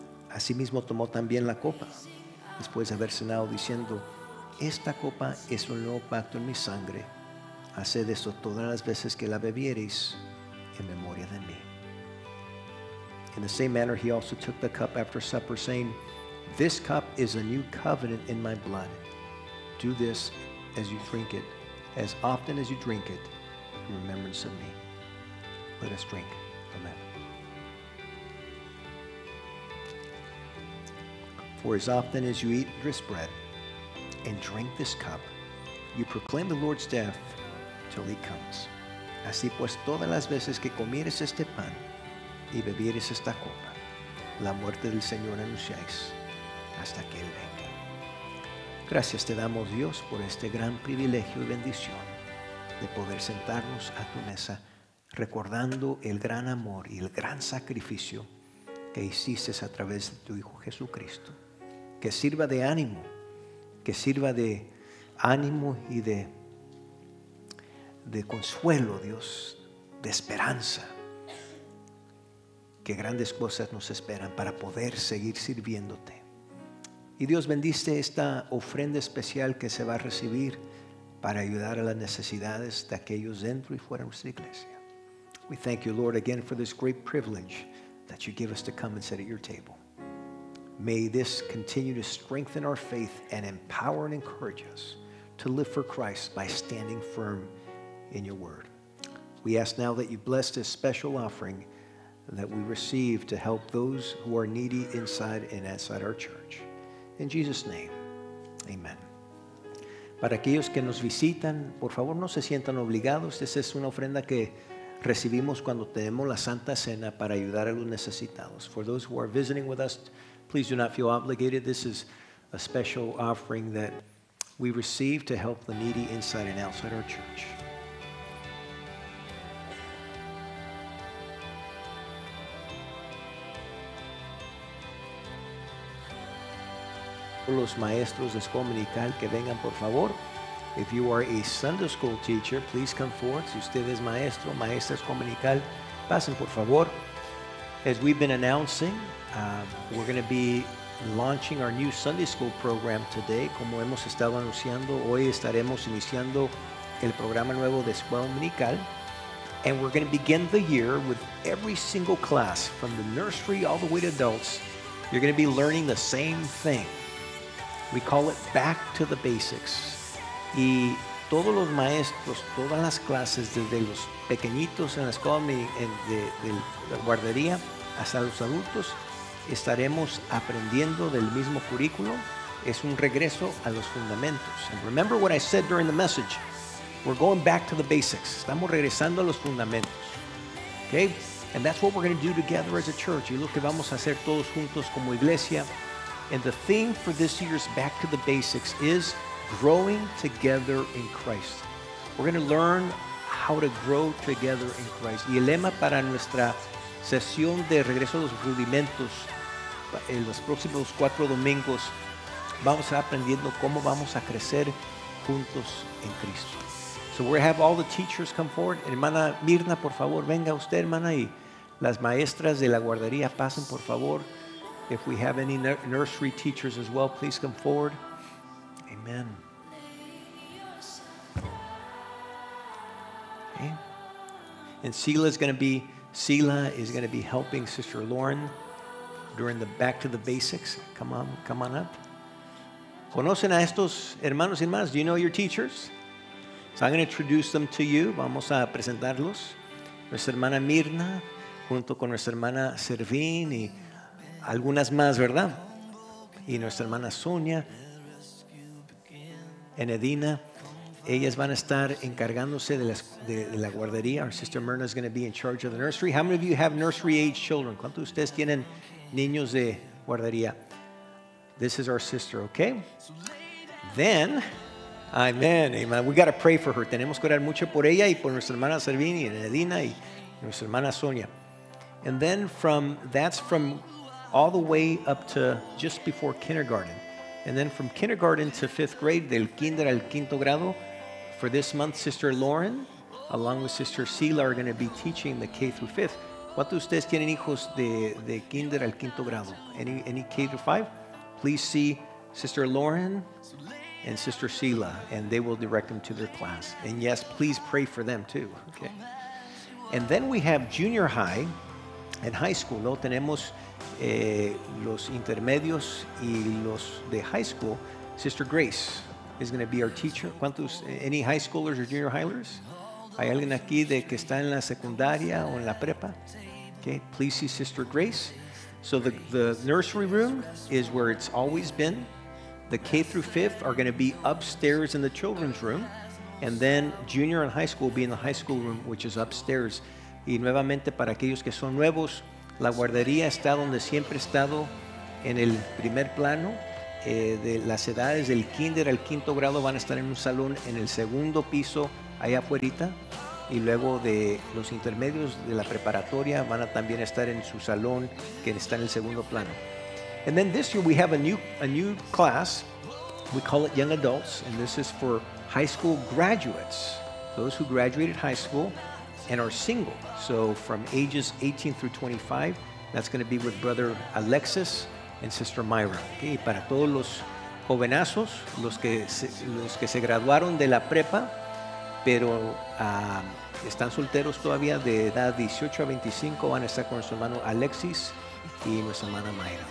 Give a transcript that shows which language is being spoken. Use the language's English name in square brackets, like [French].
[Spanish] Asimismo tomó también la copa, después de haber cenado, diciendo, esta copa es un nuevo pacto en mi sangre. Haced esto todas las veces que la bebiereis en memoria de mí. [English] In the same manner, he also took the cup after supper, saying, this cup is a new covenant in my blood. Do this as you drink it, as often as you drink it, in remembrance of me. Let us drink. Amen. For as often as you eat this bread and drink this cup, you proclaim the Lord's death till he comes. [Spanish] Así pues, todas las veces que comieres este pan y bebieres esta copa, la muerte del Señor anunciáis hasta que él venga. Gracias te damos, Dios, por este gran privilegio y bendición de poder sentarnos a tu mesa recordando el gran amor y el gran sacrificio que hiciste a través de tu Hijo Jesucristo. Que sirva de ánimo, que sirva de ánimo y de consuelo, Dios, de esperanza. Que grandes cosas nos esperan para poder seguir sirviéndote. Y Dios, bendice esta ofrenda especial que se va a recibir para ayudar a las necesidades de aquellos dentro y fuera de nuestra iglesia. [English] We thank you, Lord, again for this great privilege that you give us to come and sit at your table. May this continue to strengthen our faith and empower and encourage us to live for Christ by standing firm in your word. We ask now that you bless this special offering that we receive to help those who are needy inside and outside our church. In Jesus' name, amen. [Spanish] Para aquellos que nos visitan, por favor no se sientan obligados. Esta es una ofrenda que recibimos cuando tenemos la Santa Cena para ayudar a los necesitados. [English] For those who are visiting with us, please do not feel obligated. This is a special offering that we receive to help the needy inside and outside our church. [Spanish] Los maestros de escuela dominical que vengan, por favor. [English] If you are a Sunday school teacher, please come forward. [Spanish] Si usted es maestro, maestra escuela dominical, pasen, por favor. [English] As we've been announcing, we're going to be launching our new Sunday School program today. [Spanish] Como hemos estado anunciando, hoy estaremos iniciando el programa nuevo de Escuela Dominical. [English] And we're going to begin the year with every single class, from the nursery all the way to adults. You're going to be learning the same thing. We call it Back to the Basics. [Spanish] Y todos los maestros, todas las clases, desde los pequeñitos en la escuela de la guardería hasta los adultos, estaremos aprendiendo del mismo currículo. Es un regreso a los fundamentos. [English] And remember what I said during the message. We're going back to the basics. [Spanish] Estamos regresando a los fundamentos. [English] Okay? And that's what we're going to do together as a church. [Spanish] Y lo que vamos a hacer todos juntos como iglesia. [English] And the theme for this year's Back to the Basics is growing together in Christ. We're going to learn how to grow together in Christ. [Spanish] Y el lema para nuestra sesión de regreso a los rudimentos en los próximos cuatro domingos, vamos a aprendiendo cómo vamos a crecer juntos en Cristo. [English] So we have all the teachers come forward. [Spanish] Hermana Mirna, por favor, venga usted, hermana, y las maestras de la guardería, pasen, por favor. [English] If we have any nursery teachers as well, please come forward. Amen. Okay. And Sila is going to be helping Sister Lauren during the Back to the Basics. Come on up. [Spanish] ¿Conocen a estos hermanos y hermanas? [English] Do you know your teachers? So I'm going to introduce them to you. [Spanish] Vamos a presentarlos. Nuestra hermana Mirna, junto con nuestra hermana Servín y algunas más, ¿verdad? y nuestra hermana Sonia, Enedina, ellas van a estar encargándose de la guardería. [English] Our sister Myrna is going to be in charge of the nursery. How many of you have nursery age children? [Spanish] ¿Cuántos de ustedes tienen niños de guardería? [English] This is our sister, okay? Then, amen, amen. We got to pray for her. [Spanish] Tenemos que orar mucho por ella y por nuestra hermana Servini, Enedina y nuestra hermana Sonia. [English] And then from, that's from all the way up to just before kindergarten. And then from kindergarten to fifth grade, [Spanish] del kinder al quinto grado, [English] for this month, Sister Lauren, along with Sister Sila, are going to be teaching the K through fifth. [Spanish] ¿Cuántos de ustedes tienen hijos de kinder al quinto grado? [English] Any K through five? Please see Sister Lauren and Sister Sila, and they will direct them to their class. And yes, please pray for them too. Okay. And then we have junior high and high school. [Spanish] Luego tenemos los intermedios y los de high school. [English] Sister Grace is going to be our teacher. [Spanish] ¿Cuántos, [English] any high schoolers or junior highlers? [Spanish] ¿Hay alguien aquí de que está en la secundaria o en la prepa? [English] Okay. Please see Sister Grace. So the nursery room is where it's always been. The K through fifth are going to be upstairs in the children's room. And then junior and high school will be in the high school room, which is upstairs. [Spanish] Y nuevamente, para aquellos que son nuevos, la guardería está donde siempre ha estado, en el primer plano. De las edades del kinder al quinto grado van a estar en un salón en el segundo piso, allá afuerita. Y luego de los intermedios de la preparatoria van a también estar en su salón que está en el segundo plano. [English] And then this year we have a new class. We call it young adults, and this is for high school graduates, those who graduated high school and are single. So from ages 18 through 25, that's going to be with Brother Alexis and Sister Myra. [Spanish] Okay, para todos los jovenazos, los que se graduaron de la prepa, pero están solteros todavía de edad 18 a 25, van a estar con su hermano Alexis y nuestra hermana Mayra.